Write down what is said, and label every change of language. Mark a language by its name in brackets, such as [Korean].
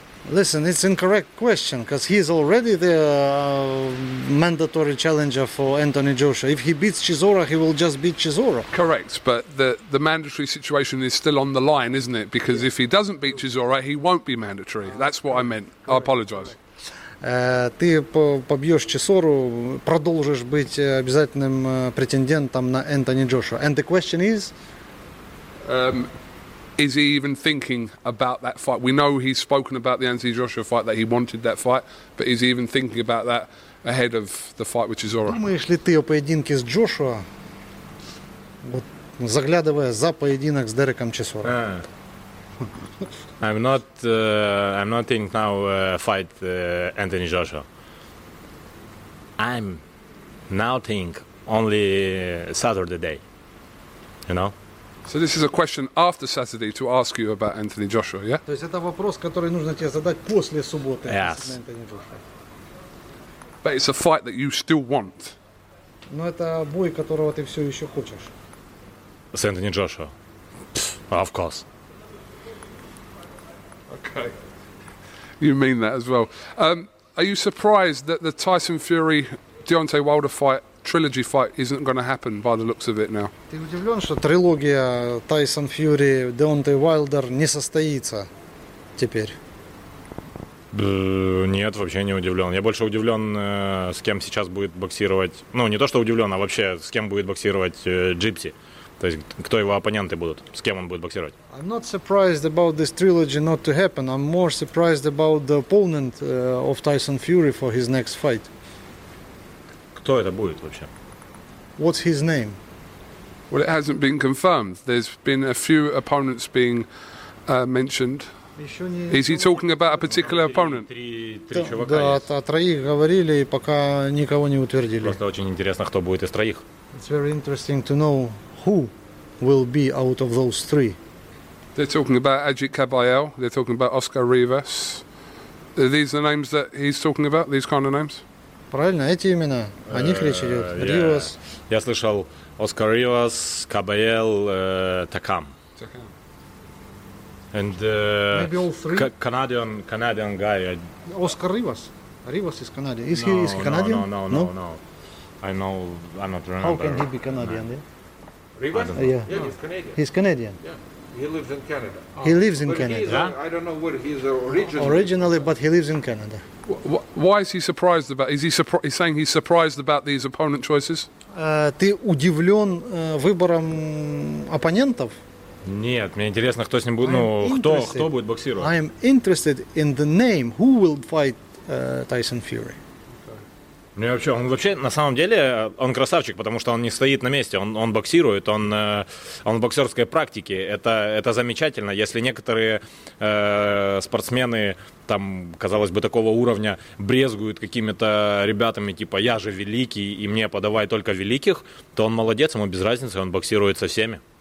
[English] Listen, it's an incorrect question, because he is already the mandatory challenger for Anthony Joshua. If he beats Chisora, he will just beat Chisora. Correct, but the mandatory situation is still on the line, isn't it? Because if he doesn't beat Chisora, he won't be mandatory. That's what I meant. Correct. I apologize. [Russian] Ты побьешь Чисору, продолжишь быть обязательным претендентом на Anthony Joshua. [English] And the question is... Is he even thinking about that fight? We know he's spoken about the Anthony Joshua fight, that he wanted that fight, but is he even thinking about that ahead of the fight with Chisora? [Russian] Думаешь ли ты о поединке с Джошуа, вот, заглядывая за поединок с Дереком Чисора? [English] I'm not thinking now fight Anthony Joshua. I'm now think only Saturday day, you know? So this is a question after Saturday to ask you about Anthony Joshua, yeah? [Russian] То есть это вопрос, который нужно тебе задать после субботы. [English] Yes. But it's a fight that you still want. [Russian] Но это бой, которого ты все еще хочешь. С Anthony Joshua. [English] Of course. Okay. You mean that as well. Are you surprised that the Tyson Fury Deontay Wilder fight trilogy fight isn't going to happen by the looks of it now? [Russian] Ты удивлен, что трилогия Tyson Fury Deontay Wilder не состоится теперь? Нет, вообще не удивлен. Я больше удивлен, с кем сейчас будет боксировать. Ну, не то, что удивлен, а вообще, с кем будет боксировать Джипси. То есть, кто его оппоненты будут, с кем он будет боксировать. [English] I'm not surprised about this trilogy not to happen. I'm more surprised about the opponent of Tyson Fury for his next fight. [Russian] Кто это будет вообще? [English] What's his name? Well, it hasn't been confirmed. There's been a few opponents being mentioned. Is he talking about a particular opponent? [Russian] Да, о троих говорили, пока никого не утвердили. Просто очень интересно, кто будет из троих. [English] It's very interesting to know who will be out of those three. They're talking about Ajit Kabayel, they're talking about Oscar Rivas. Are these the names that he's talking about, these kind of names? [Russian] Правильно, эти имена, о них речь идет. Ривас. Я слышал Оскар Ривас, Кабаел, Такам. [English] And maybe all three? Canadian guy. Oscar Rivas. Rivas is Canadian. Is he Canadian? No. I know. I'm not remember. How can he be Canadian? Then? Rivas? Yeah. No. He's Canadian. He's Canadian. Yeah. He lives in Canada. Oh. He lives in but Canada. Yeah? I don't know where he's originally. Originally, but he lives in Canada. Why is he surprised about? Is he he's saying he's surprised about these opponent choices? [Russian] Ты удивлен выбором оппонентов? Нет, мне интересно, кто с ним будет, кто будет боксировать. [English] I am interested in the name, who will fight Tyson Fury. [Russian] Мне вообще, он вообще, на самом деле, он красавчик, потому что он не стоит на месте, он боксирует, он в боксерской практике, это замечательно. Если некоторые спортсмены, там, казалось бы, такого уровня, брезгуют какими-то ребятами, типа, я же великий, и мне подавай только великих, то он молодец, ему без разницы, он боксирует со всеми.